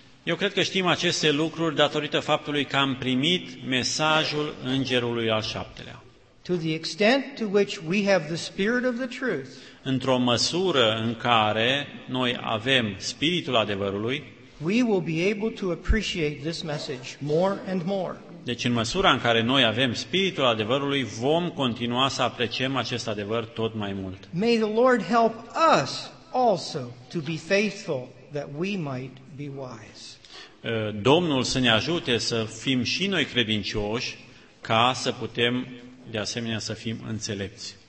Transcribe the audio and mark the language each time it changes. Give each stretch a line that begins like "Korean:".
Romanian: Eu cred că știm aceste lucruri datorită faptului că am primit mesajul îngerului al șaptelea.
English: To the extent to which we have the spirit of the truth.
Romanian: Într-o măsură în care noi avem spiritul adevărului,
English: we will be able to appreciate this message more and more.
Romanian: Deci în măsura în care noi avem spiritul adevărului, vom continua să apreciem acest adevăr tot mai mult.
English: May the Lord help us also to be faithful that we might be wise.
Romanian: Domnul să ne ajute să fim și noi credincioși ca să putem de asemenea să fim înțelepți.